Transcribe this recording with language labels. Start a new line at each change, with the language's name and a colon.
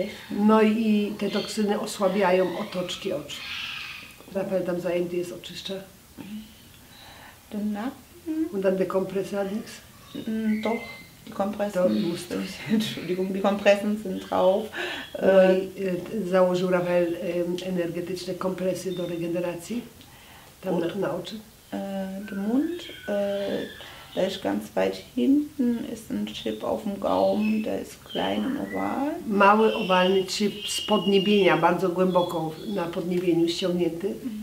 Polish: No i te toksyny osłabiają otoczki oczu. Rafael tam zajęty jest, oczyszcza.
German: Den Nacken. Und dann der Kompressadix. Doch, die Kompressen. Entschuldigung, die Kompressen sind drauf.
Polish: No i założył Rafael energetyczne kompresy do regeneracji. Tam na oczy.
German: Der Mund, da ist ganz weit hinten, ist ein Chip auf dem Gaumen, der ist klein und oval.
Polish: Mały, owalny chip z podniebienia, bardzo głęboko na podniebieniu ściągnięty.